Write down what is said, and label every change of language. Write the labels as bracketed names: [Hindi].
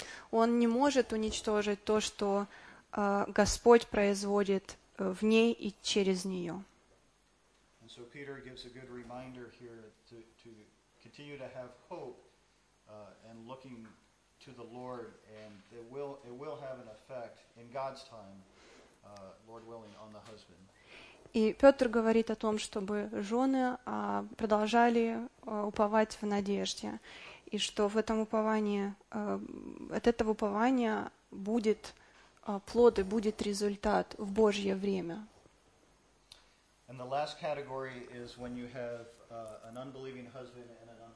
[Russian] Он не может уничтожить то, что Господь производит в ней и через нее. [English] And so Peter gives a good reminder here to continue to have hope. And looking to the Lord, and it will have an effect in God's time, Lord willing, on the husband. [Russian] И Петр говорит о том, чтобы жены продолжали уповать в надежде, и что в этом уповании, от этого упования будет плод и будет результат в Божье время. [English] And the last category is when you have an unbelieving husband and